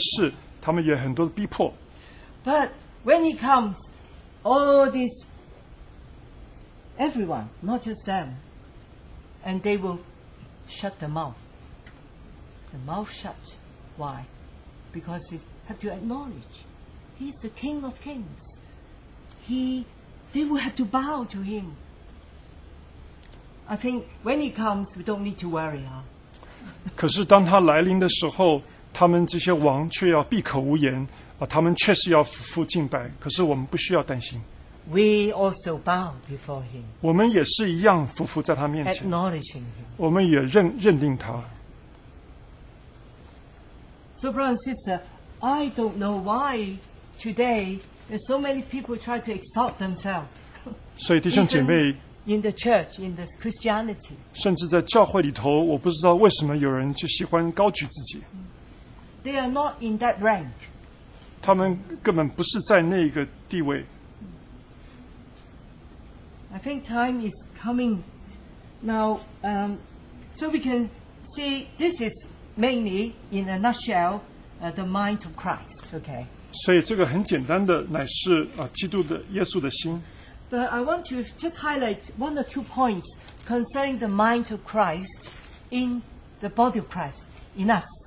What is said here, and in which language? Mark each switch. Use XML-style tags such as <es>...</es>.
<zh>我们好像看到他们做很多有权威的事，他们也很多的逼迫。But</zh> <en>when he comes, all these everyone, not just them, and they will shut the mouth. The mouth shut. Why? Because they have to acknowledge he's the King of Kings. They will have to bow to him. I think when he comes, we don't need to worry, huh?</en> <zh>可是当他来临的时候，他们这些王却要闭口无言，他们确实要俯伏敬拜。可是我们不需要担心。We</zh> <en>also bow before him.</en> <zh>我们也是一样俯伏在他面前。Acknowledging</zh> <en>him.</en> <zh>我们也认定他。So,</zh> <en>brother and sister, I don't know why today there's so many people try to exalt themselves.</en> <zh>所以弟兄姐妹。</zh> <en>In the church, in the Christianity.</en> <zh>甚至在教会里头, 我不知道为什么有人就喜欢高举自己。</zh> <en>They are not in that rank.</en> <zh>他们根本不是在那个地位。</zh> <en>I think time is coming now. So we can see this is mainly, in a nutshell, the mind of Christ. Okay.</en> <zh>所以这个很简单的乃是, 基督的耶稣的心。</zh> <en>But I want to just highlight one or two points concerning the mind of Christ in the body of Christ, in us.</en>